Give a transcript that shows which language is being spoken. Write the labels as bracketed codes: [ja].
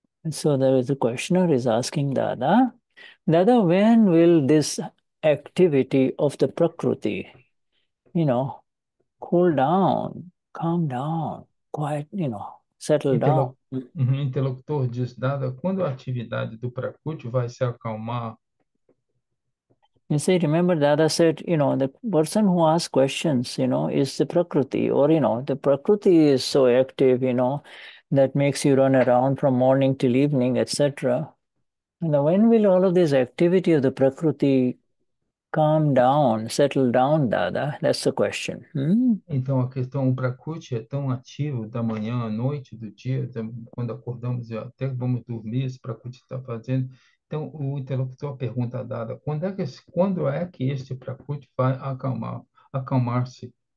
[en] So there is a questioner is asking Dada, when will this activity of the prakriti, you know, cool down, calm down, quiet, you know, settle down? [pt] Interlocutor diz, Dada, quando a atividade do prakriti vai se acalmar? [en] You see, remember Dada said, you know, the person who asks questions, you know, is the prakriti, or, you know, the prakriti is so active, you know, that makes you run around from morning till evening, etc. Now, when will all of this activity of the prakriti calm down, settle down, Dada? That's the question. [pt] Então, a questão, o prakriti é tão ativo da manhã à noite, do dia, quando acordamos e até vamos dormir, esse prakriti está fazendo. Então, o interlocutor pergunta a Dada, quando é que este prakriti vai acalmar-se?